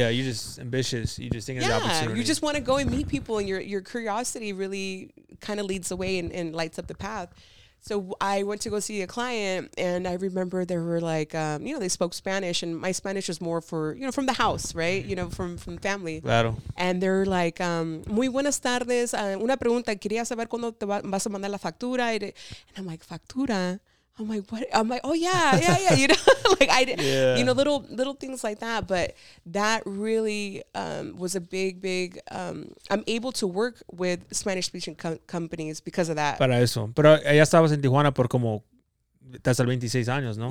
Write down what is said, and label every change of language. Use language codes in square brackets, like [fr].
[en] Yeah. You're just ambitious. You just think of the opportunity. You just want to go and meet people, and your curiosity really kind of leads the way and lights up the path. So I went to go see a client, and I remember there were like, you know, they spoke Spanish, and my Spanish was more for, you know, from the house, right? You know, from family. [es] Claro. [en] And they're like, [es] muy buenas tardes. Una pregunta, quería saber cuándo te vas a mandar la factura. [en] And I'm like, factura? I'm like, what? I'm like, oh, yeah. You know, like you know, little things like that. But that really was a big, I'm able to work with Spanish speaking companies because of that. [es] Para eso. Pero ya estabas en Tijuana por como, estás al 26 años, ¿no?